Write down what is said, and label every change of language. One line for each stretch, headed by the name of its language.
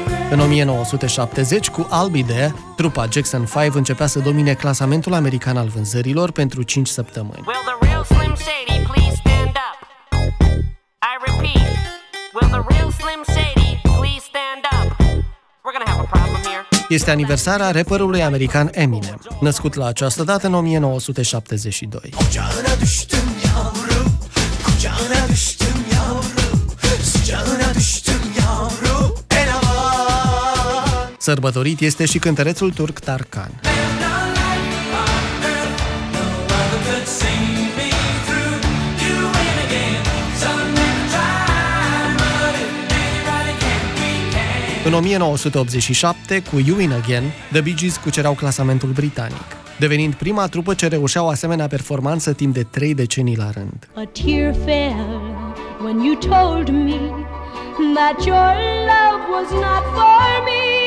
Romanian: În 1970, cu I'll Be There, trupa Jackson 5 începea să domine clasamentul american al vânzărilor pentru 5 săptămâni.
English: Will the real Slim Shady please stand up? I repeat, will the real Slim Shady please stand up? We're gonna have a problem here.
Romanian: Este aniversarea rapperului american Eminem, născut la această dată în 1972. Sărbătorit este și cântărețul turc Tarkan. În 1987, cu You Win Again, The Bee Gees cucerau clasamentul britanic, devenind prima trupă ce reușea o asemenea performanță timp de 3 decenii la rând.
English: A tear fell when you told me that your love was not for me.